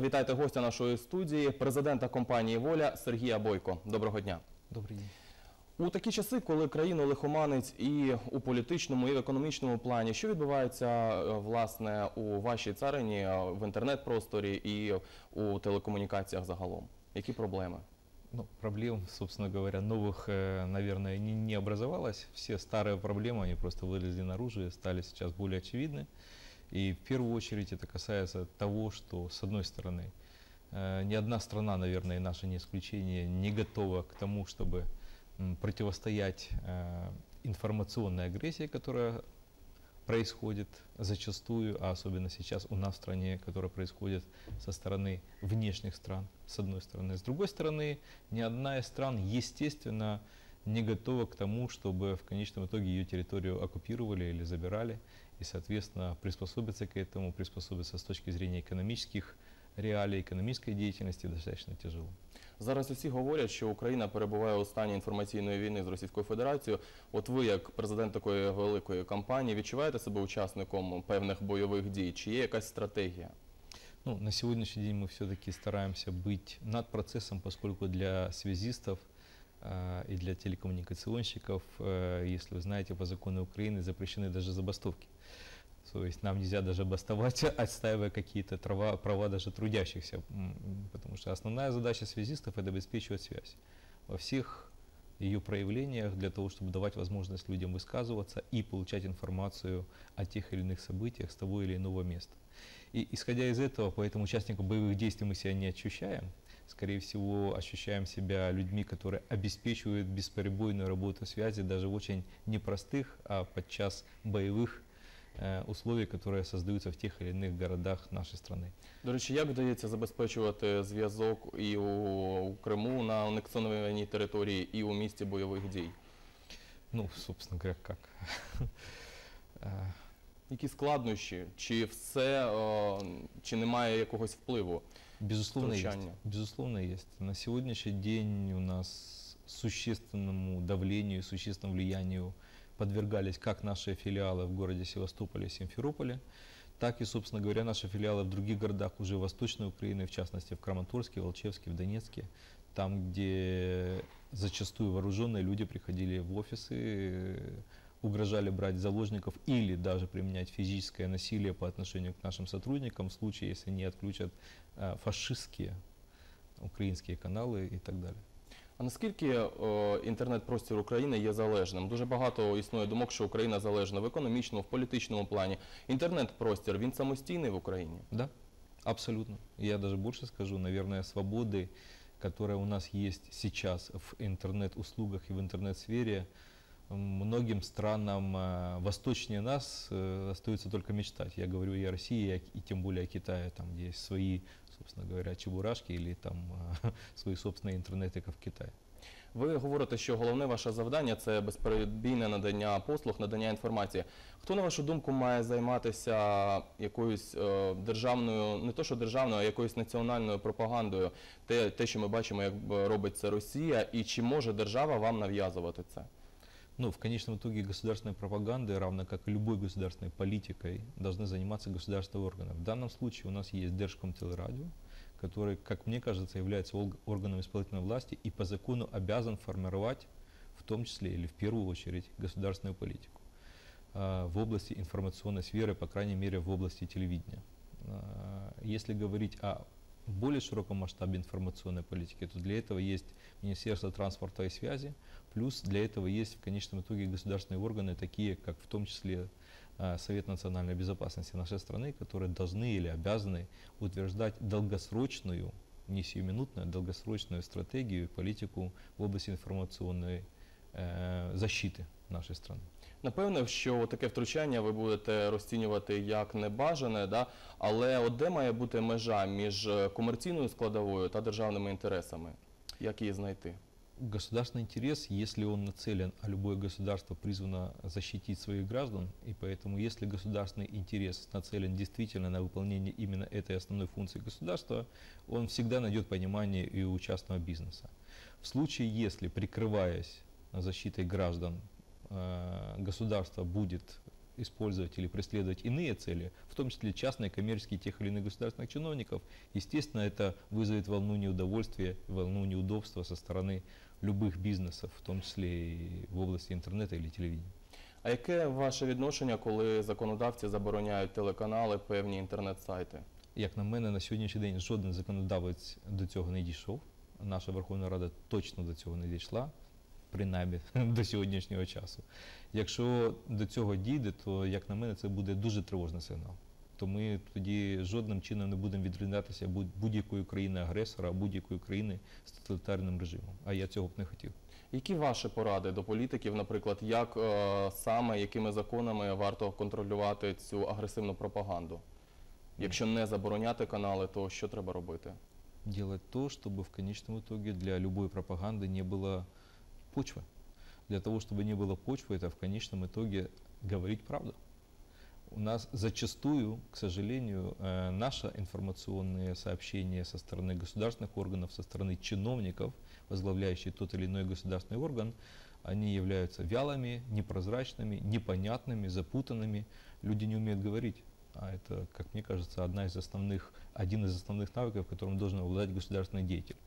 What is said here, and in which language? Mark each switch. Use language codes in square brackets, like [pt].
[uk] Вітайте гостя нашої студії, президента компанії «Воля» Сергія Бойко. Доброго дня. Добрий день. У такі часи, коли країну лихоманить і у політичному, і в економічному плані, що відбувається, власне, у вашій царині, в інтернет-просторі і у телекомунікаціях загалом? Які проблеми? [ru] Ну, проблем, собственно говоря, новых, наверное, не образовалось. Все старые проблемы, они просто вылезли наружу и стали сейчас более очевидны. И в первую очередь это касается того, что, с одной стороны, ни одна страна, наверное, и наше не исключение, не готова к тому, чтобы противостоять информационной агрессии, которая происходит зачастую, а особенно сейчас у нас в стране, которая происходит со стороны внешних стран, с одной стороны. С другой стороны, ни одна из стран, естественно, не готова к тому, чтобы в конечном итоге ее территорию оккупировали или забирали, и, соответственно, приспособиться к этому, приспособиться с точки зрения экономических [uk] реалій економічної діяльності достатньо тяжело. Зараз усі говорять, що Україна перебуває у стані інформаційної війни з Російською Федерацією. От ви, як президент такої великої компанії, відчуваєте себе учасником певних бойових дій? Чи є якась стратегія? Ну, на сьогоднішній день ми все-таки стараємося бути над процесом, оскільки для зв'язистів і для телекомунікаційщиків, якщо ви знаєте, по закону України [ru] запрещені навіть забастовки. То есть нам нельзя даже бастовать, отстаивая какие-то права даже трудящихся. Потому что основная задача связистов – это обеспечивать связь во всех ее проявлениях для того, чтобы давать возможность людям высказываться и получать информацию о тех или иных событиях с того или иного места. И исходя из этого, поэтому участникам боевых действий мы себя не ощущаем. Скорее всего, ощущаем себя людьми, которые обеспечивают бесперебойную работу связи даже в очень непростых, а подчас боевых условия, которые создаются в тех или иных городах нашей страны. [uk] До речі, як вдається забезпечувати зв'язок і у Криму на анексованій території, і у місті бойових дій? [ru] Ну, собственно говоря, как? [uk] Які складнощі? Чи все, чи немає якогось впливу? [ru] Безусловно, [uk] є. На сьогоднішній день у нас [ru] существенному давлению и существенному влиянию подвергались как наши филиалы в городе Севастополе и Симферополе, так и, собственно говоря, наши филиалы в других городах уже Восточной Украины, в частности, в Краматорске, Волчевске, в Донецке, там, где зачастую вооруженные люди приходили в офисы, угрожали брать заложников или даже применять физическое насилие по отношению к нашим сотрудникам в случае, если они отключат фашистские украинские каналы и так далее. [uk] А наскільки інтернет-простір України є залежним? Дуже багато існує думок, що Україна залежна в економічному, в політичному плані. Інтернет-простір, він самостійний в Україні? Так, да, абсолютно. Я навіть більше скажу, мабуть, свободи, які у нас є зараз в інтернет-услугах і в інтернет-сфері, [ru] многим странам восточнее нас остается только мечтать. Я говорю и о России, и тем более о Китае, там, где есть свои, собственно говоря, чебурашки или там свои собственные интернеты, как в Китае. [uk] Ви говорите, що головне ваше завдання – це безперебійне надання послуг, надання інформації. Хто, на вашу думку, має займатися якоюсь державною, не то що державною, а якоюсь національною пропагандою? Те, що ми бачимо, як робить це Росія, і чи може держава вам нав'язувати це? [ru] Ну, в конечном итоге государственной пропагандой, равно как и любой государственной политикой, должны заниматься государственные органы. В данном случае у нас есть Держкомтелерадио, который, как мне кажется, является органом исполнительной власти и по закону обязан формировать, в том числе или в первую очередь, государственную политику в области информационной сферы, по крайней мере, в области телевидения. Если говорить о более широком масштабе информационной политики, то для этого есть Министерство транспорта и связи, плюс для этого есть в конечном итоге государственные органы, такие как в том числе Совет национальной безопасности нашей страны, которые должны или обязаны утверждать долгосрочную, не сиюминутную, а долгосрочную стратегию и политику в области информационной защиты нашей страны. [uk] Напевно, що таке втручання ви будете розцінювати як небажане, да? Але от де має бути межа між комерційною складовою та державними інтересами? Як її знайти? [ru] Государственный интерес, если он нацелен, а любое государство призвано защитить своих граждан, и поэтому если государственный интерес нацелен действительно на выполнение именно этой основной функции государства, он всегда найдет понимание и у частного бизнеса. В случае, если прикрываясь защитой граждан, государство будет использовать или преследовать иные цели, в том числе частные, коммерческие, тех или иных государственных чиновников, естественно, это вызовет волну неудовольствия, волну неудобства со стороны любых бизнесов, в том числе и в области интернета или телевидения. [uk] А яке ваше відношення, коли законодавці забороняють телеканали, певні інтернет-сайти? Як на мене, на сьогоднішній день жоден законодавець до цього не дійшов. Наша Верховна Рада точно до цього не дійшла, принаймні до сьогоднішнього часу. Якщо до цього дійде, то, як на мене, це буде дуже тривожний сигнал. То ми тоді жодним чином не будемо відрізнятися будь-якої країни-агресора, будь-якої країни з тоталітарним режимом. А я цього б не хотів. Які ваші поради до політиків, наприклад, як саме, якими законами варто контролювати цю агресивну пропаганду? Якщо не забороняти канали, то що треба робити? Ділати то, щоб в кінцевому итоге для любої пропаганди не було почви. Для того, щоб не було почви, це в кінцевому итоге говорити правду. [ru] У нас зачастую, к сожалению, [uk] наше інформаційне [ru] сообщення со стороны государственных органов, со стороны чиновников, возглавляющий тот или иной государственный орган, они являются вялыми, непрозрачными, непонятными, запутанными. Люди не умеют говорить. А это, как мне кажется, один из основных навыков, которым должен обладать государственный деятель.